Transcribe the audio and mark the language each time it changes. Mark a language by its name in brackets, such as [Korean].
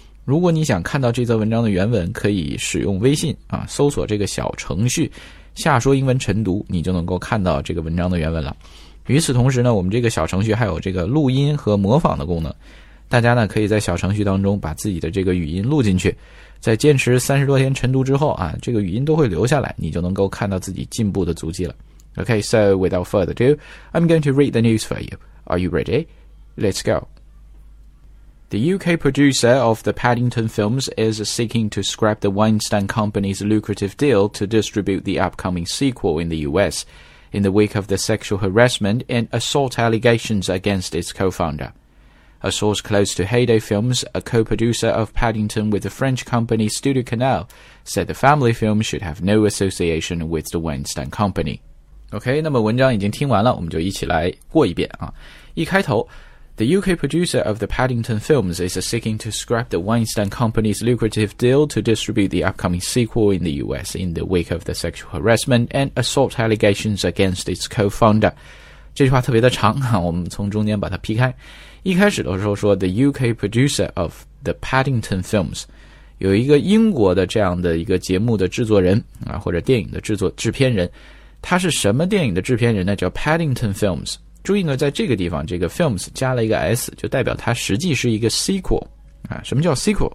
[Chinese] 如果你想看到这则文章的原文，可以使用微信啊，搜索这个小程序下说英文晨读，你就能够看到这个文章的原文了。与此同时呢，我们这个小程序还有这个录音和模仿的功能，大家呢可以在小程序当中把自己的这个语音录进去，在坚持30多天晨读之后啊，这个语音都会留下来，你就能够看到自己进步的足迹了。 [English] Okay, so without further ado, I'm going to read the news for you. Are you ready? Let's go. The UK producer of the Paddington films is seeking to scrap the Weinstein Company's lucrative deal to distribute the upcoming sequel in the US in the wake of the sexual harassment and assault allegations against its co-founder. A source close to Heyday Films, a co-producer of Paddington with the French company Studio Canal, said the family film should have no association with the Weinstein Company. OK, [Chinese] 那么文章已经听完了，我们就一起来过一遍啊。一开头 [English] The UK producer of the Paddington films is seeking to scrap the Weinstein company's lucrative deal to distribute the upcoming sequel in the US in the wake of the sexual harassment and assault allegations against its co-founder. [Chinese] 这句话特别的长啊，我们从中间把它劈开。一开始的时候说 [English] The UK producer of the Paddington films， [Chinese] 有一个英国的这样的一个节目的制作人啊，或者电影的制片人，他是什么电影的制片人呢？叫 Paddington Films。注意呢，在这个地方这个 Films 加了一个 S， 就代表它实际是一个 Sequel、啊、什么叫 Sequel？